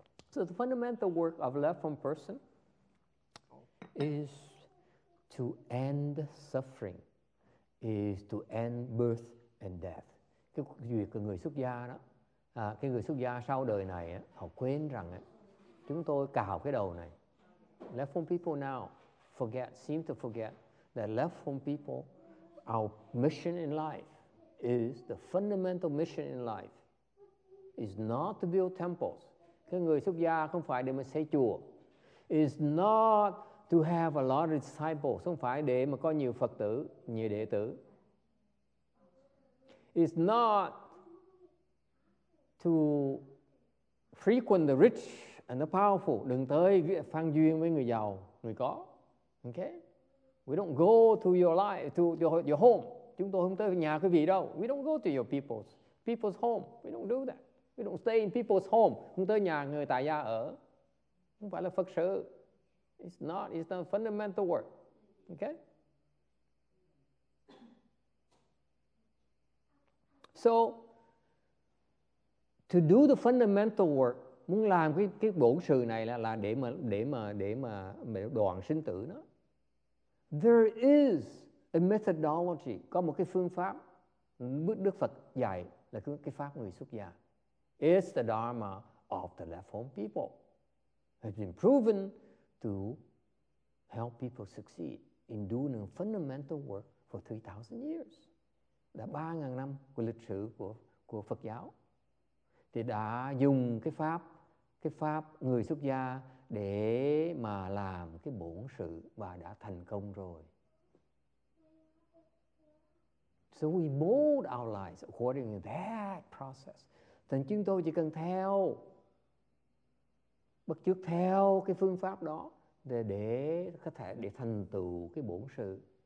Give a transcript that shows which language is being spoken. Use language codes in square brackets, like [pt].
[en] So the fundamental work of left home person is to end suffering, is to end birth and death. [vi] Cái việc của người xuất gia đó, cái người xuất gia sau đời này, họ quên rằng chúng tôi cào cái đầu này. [en] Left home people now seem to forget that left home people, our mission in life is the fundamental mission in life is not to build temples. [vi] Cái người xuất gia không phải để mà xây chùa. [en] It's not to have a lot of disciples, [vi] không phải để mà có nhiều Phật tử, nhiều đệ tử. [en] It's not to frequent the rich and the powerful. [vi] Đừng tới phan duyên với người giàu, người có. [en] Okay? We don't go to your life, to your home. [vi] Chúng tôi không tới nhà quý vị đâu. [en] We don't go to your people's home. We don't do that. We don't stay in people's home. [vi] Không tới nhà người tại gia ở. Không phải là Phật sự. [en] It's not a fundamental work, okay? So, to do the fundamental work, [vi] muốn làm cái bổn sự này là để mà đoạn sinh tử nó. [en] There is a methodology, [vi] có một cái phương pháp, Đức Phật dạy là cái pháp người xuất gia. [en] It's the Dharma of the left home people. It's been proven to help people succeed in doing fundamental work for 3,000 years. [vi] Đã 3,000 năm của lịch sử của Phật giáo. Thì đã dùng cái pháp người xuất gia để mà làm cái bổn sự và đã thành công rồi. [en] So we mold our lives according to that process. [vi] Thì chúng tôi chỉ cần theo, bất chước theo cái phương pháp đó để có thể để thành tựu cái bổn sự.